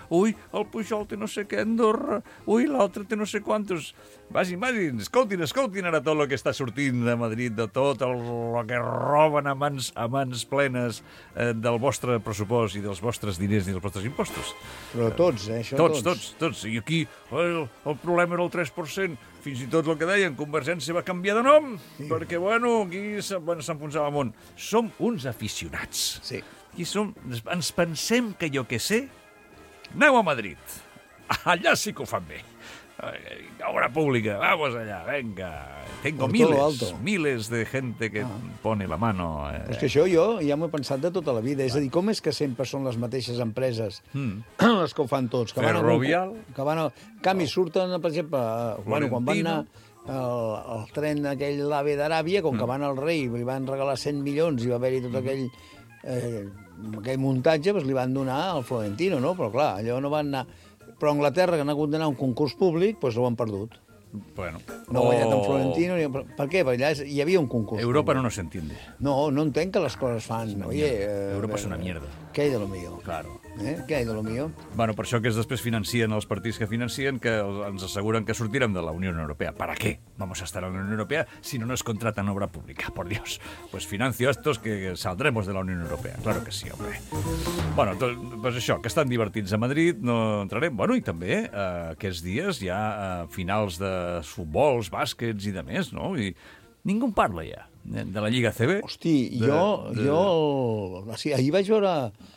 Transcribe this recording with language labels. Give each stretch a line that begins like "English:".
Catalan: Ui, el Pujol té no sé què, Andorra. Ui, l'altre té no sé quantos. Vagin, escoltin ara tot el que està sortint de Madrid, de tot el que roben a mans plenes del vostre pressupost i dels vostres diners i dels vostres impostos. Però tots, això tots. Tots. I aquí el problema era el 3%. Fins i tot el que deien, Convergència va canviar de nom, sí. Perquè, bueno, aquí s'enfonsava el món. Som uns aficionats. Sí. Aquí som, ens pensem que jo què sé... Aneu a Madrid. Allà sí que ho fan bé. Obra pública, vamos allà, venga.
Spanish: Tengo miles de gente que pone la mano.
Catalan: És que això jo ja m'ho he pensat de tota la vida. És a dir, com és que sempre són les mateixes empreses les que ho fan tots? Ferrovial. Que van a... Canvi, surten, per exemple, bueno, quan van anar el tren aquell d'AVE d'Aràbia, com que van al rei, li van regalar 100 milions i va haver-hi tot aquell... aquell muntatge, doncs, li van donar al Florentino, no? Però, clar, allò no van anar... Però a Anglaterra, que han hagut d'anar a un concurs públic, doncs ho han perdut. Bueno. No ha guanyat en Florentino... Ni... Per què? Perquè allà hi havia un concurs Europa públic. No s'entiende. No entenc que les coses fan... Oye, Europa és una mierda. Què hi ha de lo millor?
Spanish: Claro.
Catalan: Què hi ha de lo millor? Bueno, per això que després financien els partits que financien, que ens asseguren que sortirem de la Unió Europea.
Spanish: ¿Para qué vamos a estar en la Unió Europea si no nos contratan obra pública? Por Dios. Pues financio estos que saldremos de la Unió Europea. Claro que sí, hombre.
Catalan: Bueno, pues això, que estan divertits a Madrid, no entrarem. Bueno, i també aquests dies hi ha finals de futbols, bàsquets i de més, no? I ningú en parla ja, de la Lliga CB. Hosti, jo... ahir vaig veure...